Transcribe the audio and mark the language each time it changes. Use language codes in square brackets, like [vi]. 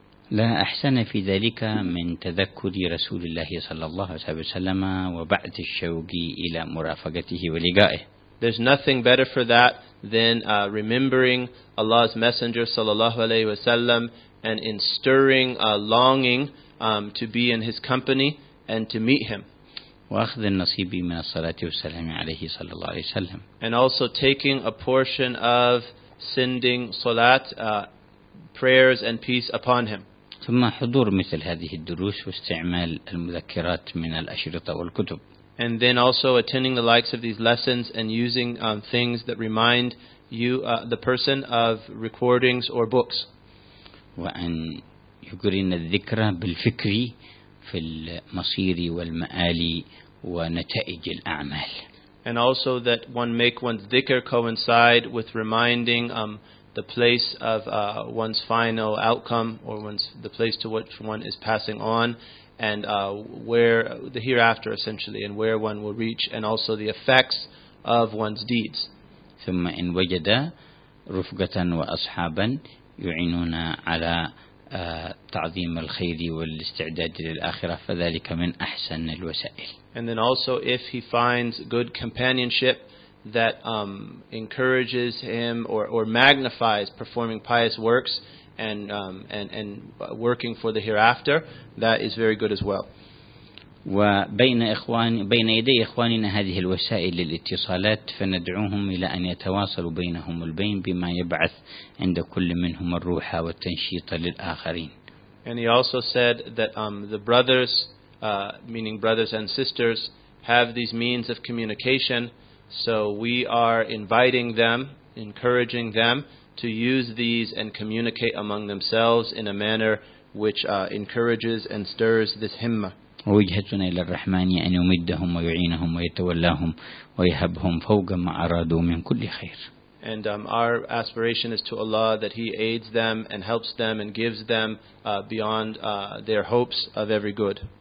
[ar] لا أحسن في ذلك من تذكر رسول الله صلى الله عليه وسلم وبعث الشوق إلى مرافقته ولقائه. [en] There's nothing better for that than remembering Allah's Messenger [ar] صلى الله عليه وسلم [en] and in stirring longing to be in his company and to meet him. [ar] وأخذ النصيب من الصلاة والسلام عليه صلى الله عليه وسلم. [en] And also taking a portion of sending salat, prayers and peace upon him. [ar] ثم حضور مثل هذه الدروس واستعمال المذكرات من الأشرطة والكتب. [en] And then also attending the likes of these lessons and using things that remind you, the person, of recordings or books. [ar] وأن يقرن الذكرى بالفكر في المصير والمآلي ونتائج الأعمال. [en] And also that one make one's dhikr coincide with reminding the place of one's final outcome, or one's the place to which one is passing on, and where the hereafter essentially, and where one will reach, and also the effects of one's deeds. [ar] ثم إن وجد رفقة وأصحابا يعينون على تعظيم الخير والاستعداد للآخرة فذلك من أحسن الوسائل. [en] And then also if he finds good companionship that encourages him or magnifies performing pious works and working for the hereafter, that is very good as well. [ar] وبين يدي إخواننا هذه الوسائل للاتصالات فندعوهم إلى أن يتواصلوا بينهم البين بما يبعث عند كل منهم الروح والتنشيط للآخرين. [en] And he also said that the brothers, meaning brothers and sisters, have these means of communication, so we are inviting them, encouraging them to use these and communicate among themselves in a manner which encourages and stirs this himmah. [ar] ووجهتنا إلى الرحمن أن يمدهم ويعينهم ويتولاهم ويهبهم فوق ما أرادوا من كل خير. [en] And our aspiration is to Allah that He aids them and helps them and gives them beyond their hopes of every good.